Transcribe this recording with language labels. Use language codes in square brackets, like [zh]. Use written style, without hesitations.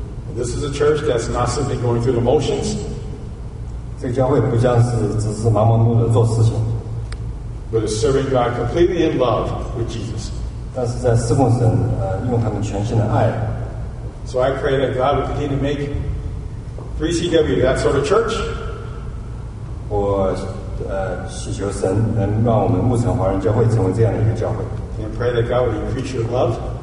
[en] And this is a church that's not simply going through the motions. [zh] 这个教会不像是只是盲目的做事情。 [en] But is serving God completely in love with Jesus. [zh] 但是在侍奉神，用他们全新的爱。 [en] So I pray that God will continue to make 3CW, that sort of church. [zh] 我祈求神能让我们牧城华人教会成为这样的一个教会。 [en] And pray that God will increase your love.